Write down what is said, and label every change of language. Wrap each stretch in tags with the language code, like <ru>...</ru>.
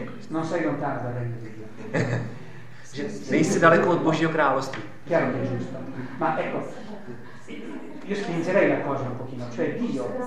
<it>Non sei lontano dal regno di Dio.</it> <cs>Že nejsi daleko od Božího království.</cs> <it>Chiaro che è giusto. Ma ecco, io spingerei la cosa un pochino, cioè Dio.</it>